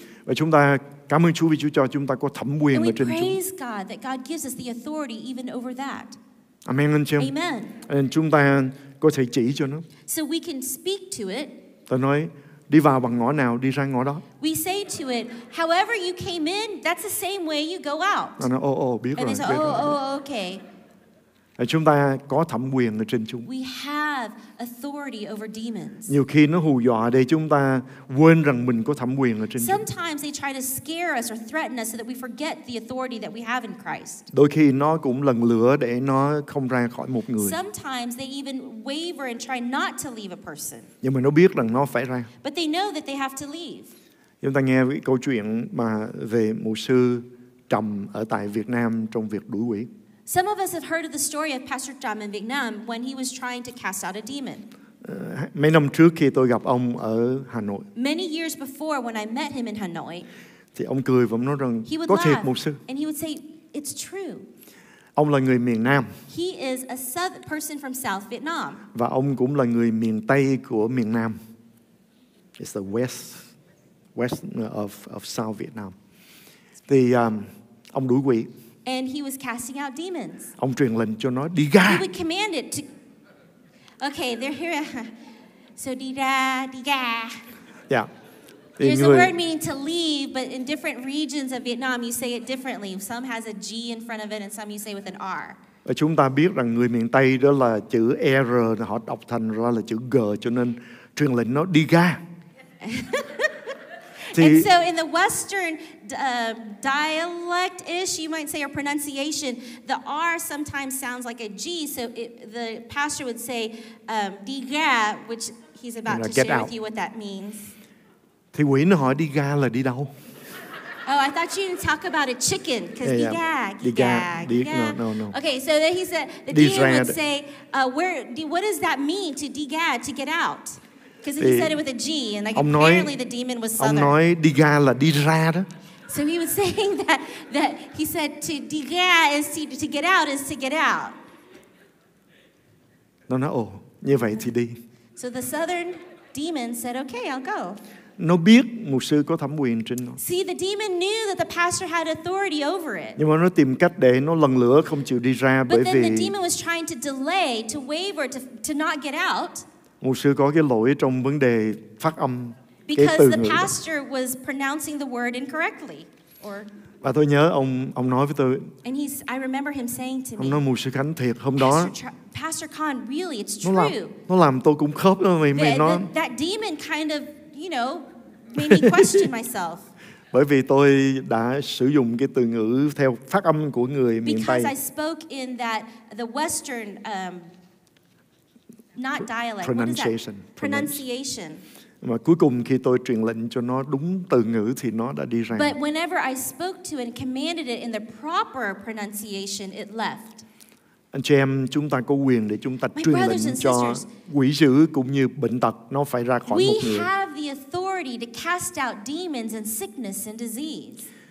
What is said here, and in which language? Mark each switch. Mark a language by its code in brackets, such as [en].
[vi] Và chúng ta cảm ơn Chúa vì Chúa cho chúng ta có thẩm quyền ở trên chúng. [en] Praise God that God gives us the authority even over that. [vi] Amen, anh chị em. [en] Amen. [vi] Chúng ta có thể chỉ cho nó. [en] So we can speak to it. [vi] Tôi nói đi vào bằng ngõ nào, đi ra ngõ đó. [en] We say to it, however you came in, that's the same way you go out. [vi] Nó nói, biết rồi. [en] And they say, okay. [vi] Chúng ta có thẩm quyền ở trên chúng. [en] We have authority over demons. [vi] Nhiều khi nó hù dọa để chúng ta quên rằng mình có thẩm quyền ở trên chúng. [en] Sometimes they try to scare us or threaten us so that we forget the authority that we have in Christ. [vi] Đôi khi nó cũng lần lửa để nó không ra khỏi một người. [en] Sometimes they even waver and try not to leave a person. [vi] Nhưng mà nó biết rằng nó phải ra. [en] But they know that they have to leave. [vi] Chúng ta nghe cái câu chuyện mà về mục sư Trầm ở tại Việt Nam trong việc đuổi quỷ. [en] Some of us have heard of the story of Pastor Trầm in Vietnam when he was trying to cast out a demon. [vi] Mấy năm trước khi tôi gặp ông ở Hà Nội. [en] Many years before when I met him in Hanoi. [vi] Thì ông cười và nói rằng có thiệt mục sư. [en] And he would say it's true. [vi] Ông là người miền Nam. [en] He is a southern person from South Vietnam. [vi] Và ông cũng là người miền Tây của miền Nam. [en] It's the west of South Vietnam. [vi] Thì ông đuổi quỷ. [en] And he was casting out demons. [vi] Ông truyền lệnh cho nó đi ra. [en] He would command it to. Okay, they're here. [vi] So đi ra, đi ra. [en] Yeah. There's người a word meaning to leave, but in different regions of Vietnam, you say it differently. Some has a G in front of it, and some you say with an R. [vi] Và chúng ta biết rằng người miền Tây đó là chữ R họ đọc thành ra là chữ G, cho nên truyền lệnh nó đi ra. [en] And so in the Western dialect-ish, you might say, or pronunciation, the R sometimes sounds like a G, so the pastor would say, [vi] đi ra, [en] which he's about to share with you what that means. [vi] Thì quỷ nó hỏi đi ra là đi đâu? [en] Oh, I thought you didn't talk about a chicken, because [vi] đi ra, đi ra, đi ra. [en] No. Okay, so then he said, the demon would say, what does that mean, to [vi] đi ra, [en] to get out? Because he said it with a G, and like apparently the demon was southern. [vi] Ông nói đi ra là đi ra đó. [en] So he was saying that he said to [vi] đi ra [en] is to get out is to get out. [vi] Nó nói ồ, như vậy thì đi. [en] So the southern demon said, okay, I'll go. [vi] Nó biết mục sư có thẩm quyền trên nó. [en] See, the demon knew that the pastor had authority over it. [vi] Nhưng mà nó tìm cách để nó lần lửa không chịu đi ra bởi vì. [en] But then the demon was trying to delay, to waver, to not get out. [vi] Mục sư có cái lỗi trong vấn đề phát âm cái từ ngữ. [en] Because the pastor was pronouncing the word incorrectly. [vi] Và tôi nhớ ông nói với tôi. [en] And I remember him saying to me. [vi] Ông nói mục sư Khánh thiệt hôm đó. [en] Pastor Khan, really, it's true. [vi] Nó làm tôi cũng khớp đó mày nó. [en] That demon kind of, you know, made me question myself. [vi] Bởi vì tôi đã sử dụng cái từ ngữ theo phát âm của người miền Tây. [en] Because I spoke in that the Western. Not dialect. Pronunciation. [vi] Mà cuối cùng khi tôi truyền lệnh cho nó đúng từ ngữ thì nó đã đi ra. [en] But whenever I spoke to it and commanded it in the proper pronunciation, it left. [vi] Anh chị em, chúng ta có quyền để chúng ta truyền lệnh cho quỷ dữ cũng như bệnh tật nó phải ra khỏi một người. [en] We have the authority to cast out demons and sickness and disease.